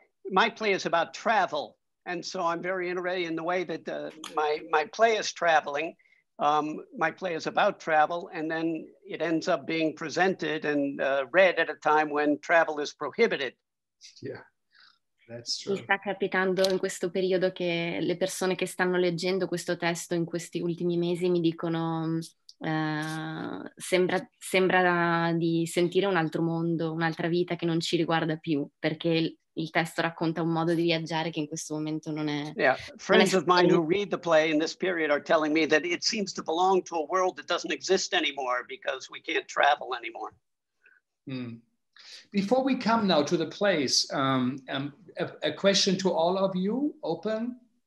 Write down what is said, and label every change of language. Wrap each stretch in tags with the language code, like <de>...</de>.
<en>my play is about travel, and so I'm very interested in the way that my play is traveling. My play is about travel, and then it ends up being presented and read at a time when travel is prohibited. Yeah.</en> <it>Mi sta capitando in questo periodo che le persone che stanno leggendo questo testo in questi ultimi mesi mi dicono sembra di sentire un altro mondo, un'altra vita che non ci riguarda più, perché il testo racconta un modo di viaggiare che in questo momento non è.</it> <en>Yeah, friends of mine who read the play in this period are telling me that it seems to belong to a world that doesn't exist anymore because we can't travel anymore. Mm. Before we come now to the plays, a question to all of you, open.</en>